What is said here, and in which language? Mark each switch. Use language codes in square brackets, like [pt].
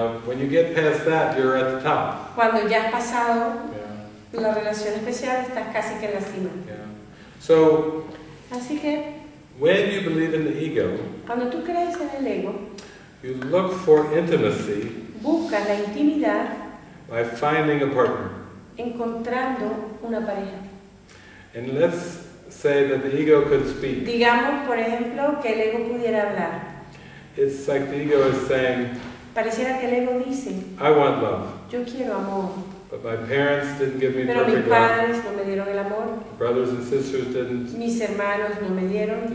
[en] When you get past that, you're at the top. [es] Cuando ya has pasado. La relación especial está casi que en la cima. [en] So, [es] así que, [en] when you believe in the ego, [es] cuando tú crees en el ego, [en] you look for intimacy, [es] busca la intimidad, [en] by finding a partner, [es] encontrando una pareja. [en] And let's say that the ego could speak. [es] Digamos, por ejemplo, que el ego pudiera hablar. [en] It's like the ego is saying, [es] pareciera que el ego dice, [en] I want love. [es] Yo quiero amor. [en] But my parents didn't give me [es] pero [en] perfect [es] mis padres [en] love. [es] No me dieron el amor. [en] Brothers and sisters didn't. [es] Mis hermanos no me dieron.